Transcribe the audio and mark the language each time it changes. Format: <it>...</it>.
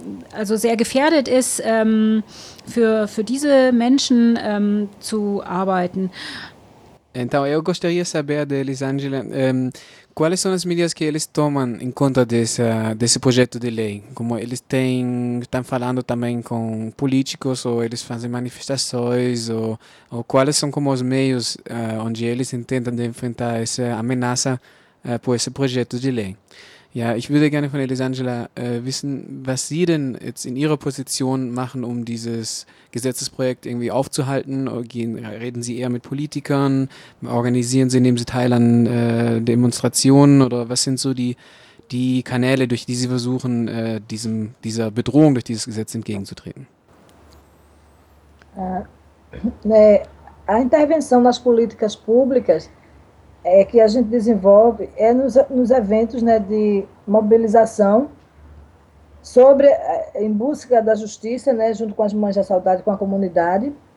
<de>also sehr gefährdet ist, für diese Menschen zu arbeiten.</de> <pt>Então, eu gostaria de saber da Elisângela quais são as medidas que eles tomam em conta desse projeto de lei. Como eles estão falando também com políticos, ou eles fazem manifestações, ou quais são como os meios onde eles tentam enfrentar essa ameaça por esse projeto de lei.</pt> <de>Ja, ich würde gerne von Elisângela wissen, was Sie denn jetzt in Ihrer Position machen, um dieses Gesetzesprojekt irgendwie aufzuhalten. Reden Sie eher mit Politikern? Organisieren Sie, nehmen Sie teil an Demonstrationen? Oder was sind so die Kanäle, durch die Sie versuchen, dieser Bedrohung durch dieses Gesetz entgegenzutreten?</de> <pt>A intervenção nas políticas públicas que a gente desenvolve nos eventos, né, de mobilização sobre, em busca da justiça, né, junto com as Mães da Saudade, com a comunidade,</pt>